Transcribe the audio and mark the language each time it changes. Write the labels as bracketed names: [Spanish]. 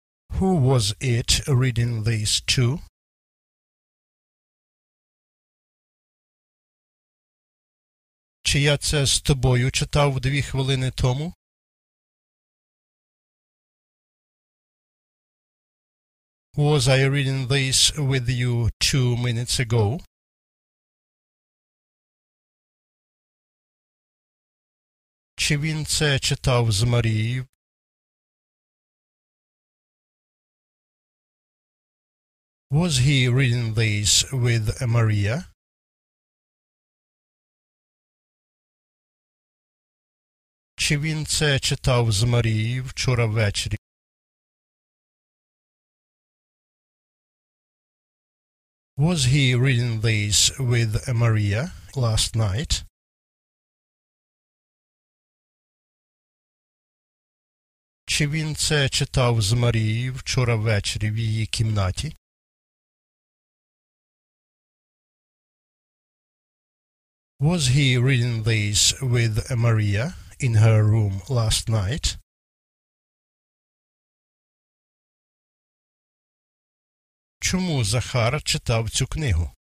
[English] Who was it reading this to? [Ukrainian] Чи я це з тобою читав 2 хвилини тому? [English] Was I reading this with you 2 minutes ago? [Ukrainian] Чи він це читав з Марією? [English] Was he reading this with Maria? [Ukrainian] Чи він це читав з Марією вчора ввечері? [English] Was he reading this with Maria last night? [Ukrainian] Чи він це читав з Марією вчора ввечері в її кімнаті? [English] Was he reading this with Maria in her room last night? [Ukrainian] чому Захар читав цю книгу?